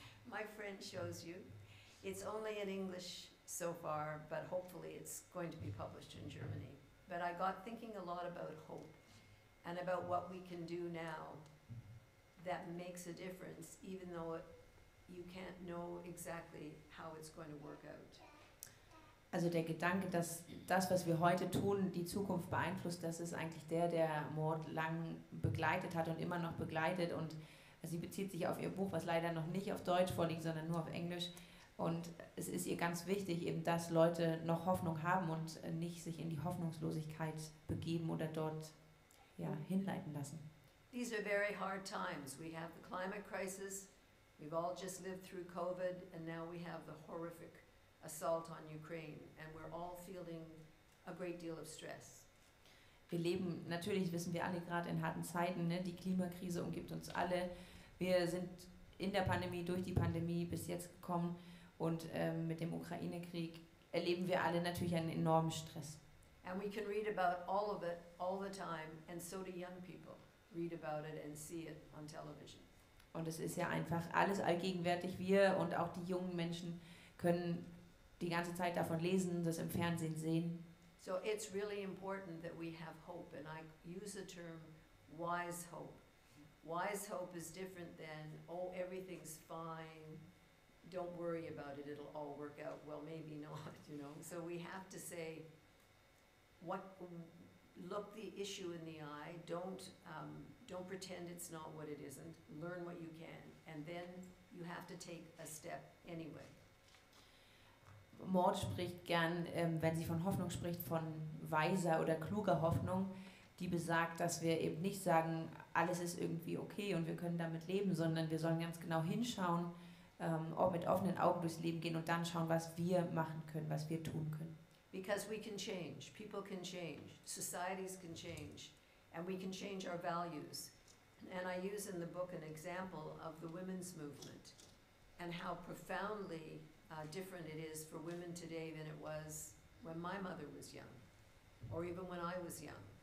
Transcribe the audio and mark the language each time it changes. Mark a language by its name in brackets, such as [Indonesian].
[English] My friend shows you. It's only in English so far, but hopefully it's going to be published in Germany. But I got thinking a lot about hope and about what we can do now that makes a difference, even though you can't know exactly how it's going to work out. [German] Also der Gedanke, dass das, was wir heute tun, die Zukunft beeinflusst, das ist eigentlich der Mort lang begleitet hat und immer noch begleitet. Und sie bezieht sich auf ihr Buch, was leider noch nicht auf Deutsch vorliegt, sondern nur auf Englisch. Und es ist ihr ganz wichtig, eben, dass Leute noch Hoffnung haben und nicht sich in die Hoffnungslosigkeit begeben oder dort ja, hinleiten lassen. [English] These are very hard times. We have the climate crisis. We've all just lived through COVID, and now we have the horrific assault on Ukraine, and we're all feeling a great deal of stress. [German] Wir leben, natürlich wissen wir alle, gerade in harten Zeiten, ne? Die Klimakrise umgibt uns alle. Wir sind in der Pandemie, durch die Pandemie bis jetzt gekommen, und mit dem Ukraine-Krieg erleben wir alle natürlich einen enormen Stress. [English] And we can read about all of it all the time, and so do young people read about it and see it on television. [German] Und es ist ja einfach alles allgegenwärtig. Wir und auch die jungen Menschen können die ganze Zeit davon lesen, das im Fernsehen sehen. [English] So it's really important that we have hope, and I use the term wise hope. Wise hope is different than, oh, everything's fine, don't worry about it, it'll all work out. Well, maybe not, you know. So we have to say, look the issue in the eye, don't pretend it's not what it isn't, learn what you can, and then you have to take a step anyway. [German] Maud spricht gern, wenn sie von Hoffnung spricht, von weiser oder kluger Hoffnung, die besagt, dass wir eben nicht sagen, alles ist irgendwie okay und wir können damit leben, sondern wir sollen ganz genau hinschauen, auch mit offenen Augen durchs Leben gehen und dann schauen, was wir machen können, was wir tun können. [English] Because we can change, people can change, societies can change, and we can change our values. And I use in the book an example of the women's movement and how profoundly different it is for women today than it was when my mother was young, or even when I was young.